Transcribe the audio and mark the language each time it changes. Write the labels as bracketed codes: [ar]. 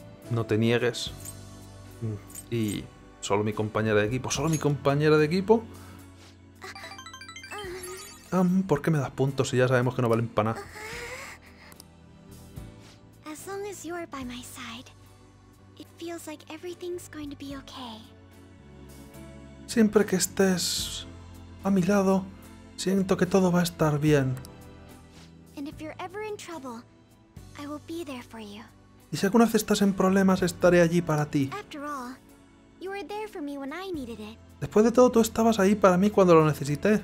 [es] No te niegues. Y solo mi compañera de equipo. ¿Solo mi compañera de equipo? ¿Por qué me das puntos si ya sabemos que no valen para nada? [en] As long as by my side. It feels like everything's going to be okay. [es] Siempre que estés a mi lado, siento que todo va a estar bien. [en] And if you're ever in trouble, I will be there for you. [es] Y si alguna vez estás en problemas, estaré allí para ti. [en] After all, you were there for me when I needed it. [es] Después de todo, tú estabas ahí para mí cuando lo necesité.